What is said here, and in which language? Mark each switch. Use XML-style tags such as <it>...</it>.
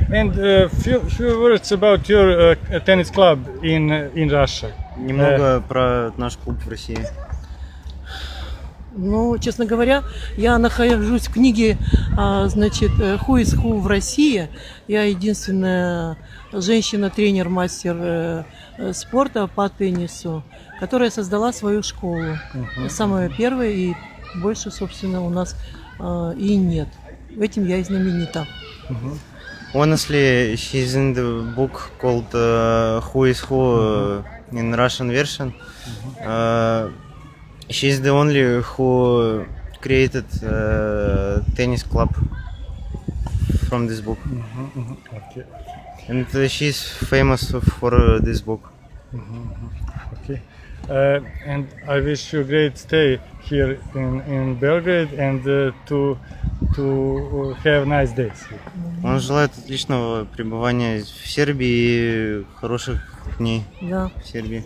<en>And few words about your tennis club in Russia.</en> <ru>Немного про наш клуб в России. Ну, честно говоря, я нахожусь в книге, значит, Who is Who в России. Я единственная женщина-тренер-мастер спорта по теннису, которая создала свою школу. Uh-huh. Самая первая, и больше, собственно, у нас и нет. Этим я и знаменита.</ru> <en>Uh-huh. Honestly, she's in the book called Who is Who in Russian version. She's the only who created tennis club. from this book. Mm-hmm, mm-hmm. Okay. And she's famous for this book. Mm-hmm. Okay. And I wish you a great stay here in Belgrade and to have nice days.</en> <ru>Он желает отличного пребывания в Сербии и хороших дней в Сербии.</ru>